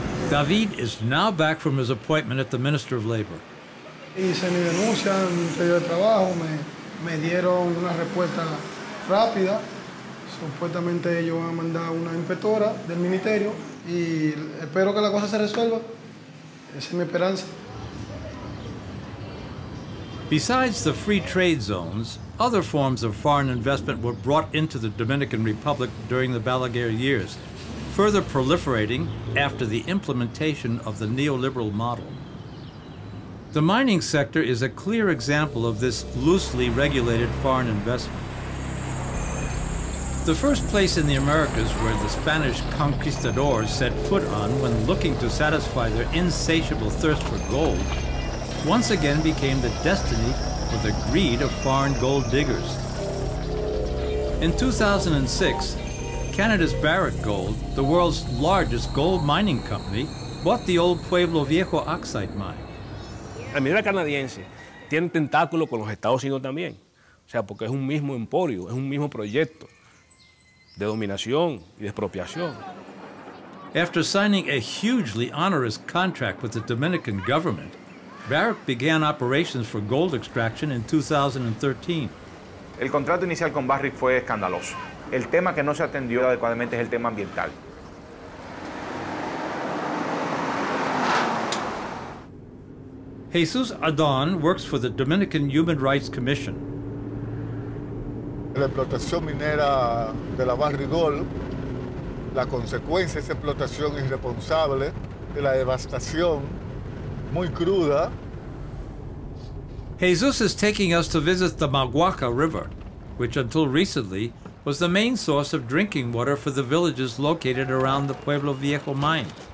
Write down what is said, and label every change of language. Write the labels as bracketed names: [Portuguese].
[English] David is now back from his appointment at the Minister of Labor. [Spanish] Hice mi denuncia en el Ministerio de Trabajo, me dieron una respuesta rápida. Supuestamente ellos van a mandar una inspectora del ministerio y espero que la cosa se resuelva. Esa es mi esperanza. [English] Besides the free trade zones, other forms of foreign investment were brought into the Dominican Republic during the Balaguer years, further proliferating after the implementation of the neoliberal model. The mining sector is a clear example of this loosely regulated foreign investment. The first place in the Americas where the Spanish conquistadors set foot on when looking to satisfy their insatiable thirst for gold, once again became the destiny for the greed of foreign gold diggers. In 2006, Canada's Barrick Gold, the world's largest gold mining company, bought the old Pueblo Viejo oxide mine. [Spanish] La minera canadiense tiene tentáculo con los Estados Unidos también. O sea, porque es un mismo emporio, es un mismo proyecto de dominación y de expropiación. [English] After signing a hugely onerous contract with the Dominican government, Barrick began operations for gold extraction in 2013. [Spanish] El contrato inicial con Barrick fue escandaloso. El tema que no se atendió adecuadamente es el tema ambiental. [English] Jesus Adon works for the Dominican Human Rights Commission. [Spanish] La explotación minera de la Barrick Gold, la consecuencia de esa explotación irresponsable, de la devastación muy cruda. [English] Jesus is taking us to visit the Maguaca River, which until recently was the main source of drinking water for the villages located around the Pueblo Viejo mine.